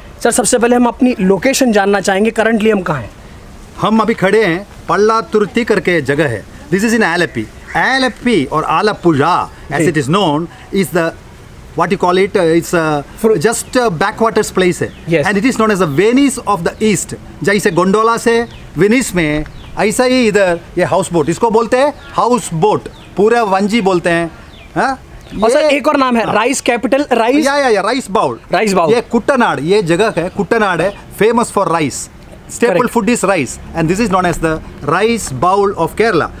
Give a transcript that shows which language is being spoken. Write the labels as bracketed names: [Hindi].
[Hindi] Sir, सबसे पहले हम अपनी लोकेशन जानना चाहेंगे, करंटली हम कहाँ हैं? हम अभी खड़े हैं पल्लातुर्ती करके जगह है, [English] This is in Alleppey. Alleppey और Alappuzha as it is known is the what you call it, it's just a backwaters place है। Yes. And it is known as the Venice of the East। [Hindi] जैसे गोंडोला से विनीस में, ऐसा ही इधर ये हाउस बोट, इसको बोलते हैं हाउस बोट, पूरे वंजी बोलते हैं। और सर एक और नाम है, राइस कैपिटल, राइस बाउल। ये कुट्टनाड, ये जगह है कुट्टनाड, है [English] Famous for rice, staple food is rice, and this is known as the rice bowl of Kerala.